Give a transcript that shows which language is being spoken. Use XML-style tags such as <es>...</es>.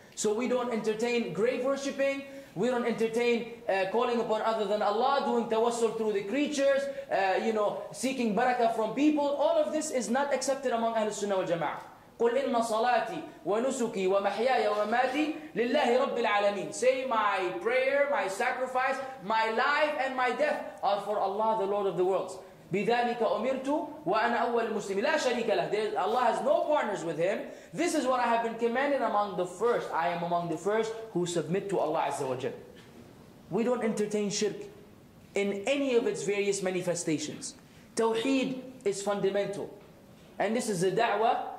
<en>So we don't entertain grave worshipping, we don't entertain calling upon other than Allah, doing tawassul through the creatures, seeking barakah from people. All of this is not accepted among Ahl Sunnah wal Jama'ah.</en> <ar>قُلْ إِنَّ صَلَاتِي وَنُسُكِي وَمَحْيَايَ وَمَاتِي لِلَّهِ رَبِّ الْعَالَمِينَ.</ar> <en>Say, my prayer, my sacrifice, my life and my death are for Allah, the Lord of the worlds.</en> <ar>بذلك أمرت وأنا أول مسلم لا شريك له.</ar> <en>Allah has no partners with him. This is what I have been commanded among the first. I am among the first who submit to Allah Azza wa Jal. We don't entertain shirk in any of its various manifestations. Tawheed is fundamental. And this is the da'wah.</en>